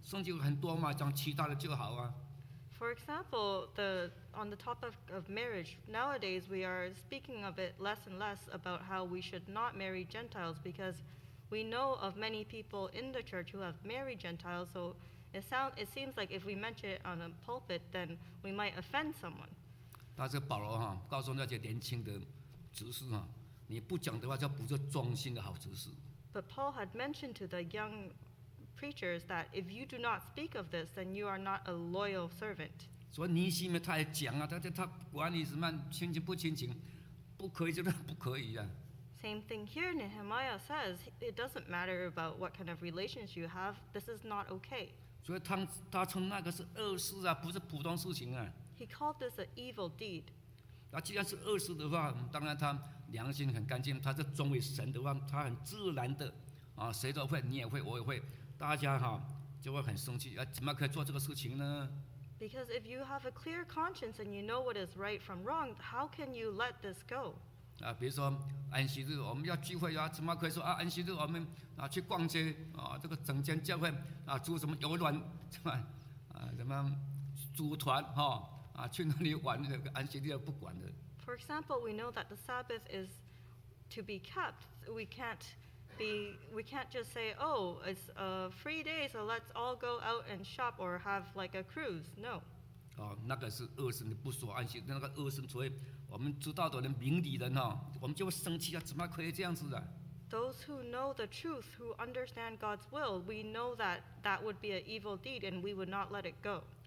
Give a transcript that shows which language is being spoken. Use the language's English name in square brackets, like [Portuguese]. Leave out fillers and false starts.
[Chinese] 比如结婚的事情呢，我们现在的人比较少提。为什么比较少提？说啊，不要嫁给跟外邦的结婚。我们现在不敢提呀，因为啊，那个也是啊，那个是跟外邦的结婚，那个也是啊。到处你要讲的话，也得罪他，也得罪他啊，感觉不要讲。我们圣经很多嘛，讲其他的就好啊。 [English] For example, on the topic of marriage, nowadays we are speaking of it less and less about how we should not marry Gentiles because we know of many people in the church who have married Gentiles, so it seems like if we mention it on a pulpit, then we might offend someone. [Chinese] 但是保罗告诉那些年轻的执事，你不讲的话，就不是忠心的好执事。But [English] Paul had mentioned to the young preachers that if you do not speak of this, then you are not a loyal servant. [Chinese] 所以尼希米他也讲啊，他管你什么亲情不亲情，不可以就不可以啊。 [English] Same thing here, Nehemiah says, it doesn't matter about what kind of relations you have, this is not okay. [Chinese] 所以他称那个是恶事啊，不是普通事情啊。He [English] called this an evil deed. [Chinese] 那既然是恶事的话，当然他良心很干净，他是忠于神的话，他很自然的啊，谁都会，你也会，我也会，大家哈。就会很生气，怎么可以做这个事情呢？ [English] Because if you have a clear conscience and you know what is right from wrong, how can you let this go? [Chinese] 比如说安息日我们要聚会啊，怎么可以说安息日我们去逛街，这个整间教会，组什么游轮，什么组团，去那里玩，安息日不管的。 [English] For example, we know that the Sabbath is to be kept. We can't be, we can't just say, oh, it's a free day, so let's all go out and shop or have like a cruise. No. [Chinese] 那个是恶神，你不说安息，那个恶神，所以我们知道的人，明理人，我们就会生气啊，怎么可以这样子的？ [English] Those who know the truth, who understand God's will, we know that that would be an evil deed and we would not let it go.